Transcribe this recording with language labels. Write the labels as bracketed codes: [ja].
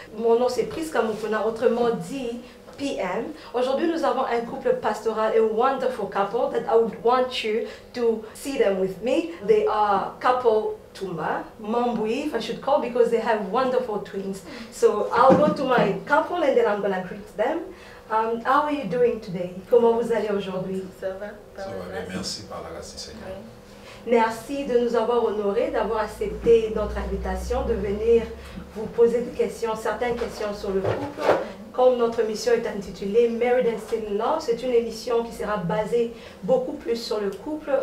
[fr] Mon nom c'est Prisca Mukuna, autrement dit PM. Aujourd'hui, nous avons un couple pastoral, [en] a wonderful couple that I would want you to see them with me. They are couple Tumba, Mambui, if I should call, because they have wonderful twins. So I'll go to my couple and then I'm going to greet them. How are you doing today? [fr] Comment vous allez aujourd'hui? Ça va bien, merci par la grâce du Seigneur. Merci de nous avoir honorés, d'avoir accepté notre invitation, de venir vous poser des questions, certaines questions sur le couple. Comme notre émission est intitulée Married and Still in Love, c'est une émission qui sera basée beaucoup plus sur le couple.